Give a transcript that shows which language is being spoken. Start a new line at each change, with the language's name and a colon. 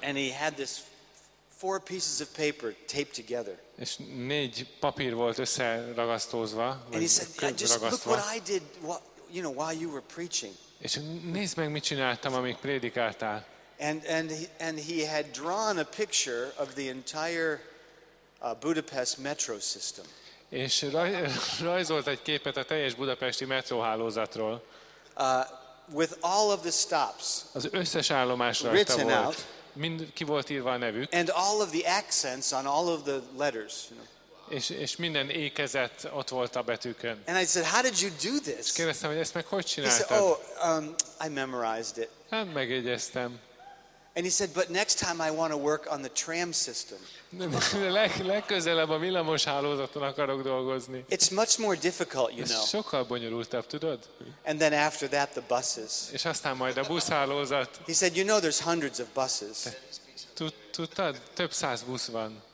English: And he had this 4 pieces of paper taped together.
Hungarian: És négy papír volt összeragasztózva.
English: And he said, just look what I did, you know, while you were preaching.
Hungarian: És nézd meg, mit csináltam, amíg prédikáltál.
English: And he had drawn a picture of the entire Budapest metro system.
Hungarian: És rajzolt egy képet a teljes budapesti metróhálózatról.
English: With all of the stops.
Hungarian: Az összes állomás rajta volt.
English: Out,
Hungarian: mind ki volt írva a nevük.
English: And all of the accents on all of the letters, you know.
Hungarian: És minden ékezet ott volt a betűkön.
English: And I said, how did you do this?
Hungarian: És kérdeztem, hogy ezt meg hogy csináltad?
English: He said, I memorized it.
Hungarian: Hát megjegyeztem.
English: And he said, but next time I want to work on the tram system.
Hungarian: Legközelebb a villamos hálózaton akarok dolgozni.
English: It's much more difficult, you know.
Hungarian: Sokkal bonyolultabb, tudod?
English: And then after that, the buses.
Hungarian: És aztán majd a buszhálózat.
English: He said, you know, there's hundreds of buses.
Hungarian: Tudtad, több száz busz van.